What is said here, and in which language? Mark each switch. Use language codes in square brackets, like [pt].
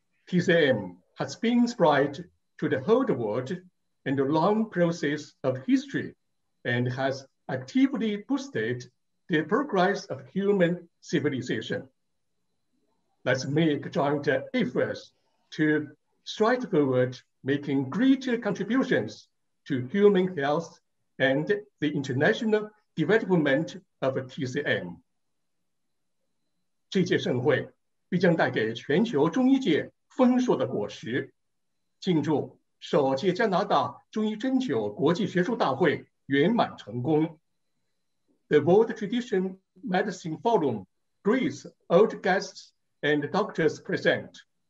[en] TCM has been spread to the whole world in the long process of history and has actively boosted the progress of human civilization. Let's make joint efforts to stride forwardMaking greater contributions to human health and the international development of TCM. [zh] 这届盛会必将带给全球中医界丰硕的果实。庆祝首届加拿大中医针灸国际学术大会圆满成功。 [en] The World Traditional Medicine Forum greets old guests and doctors present.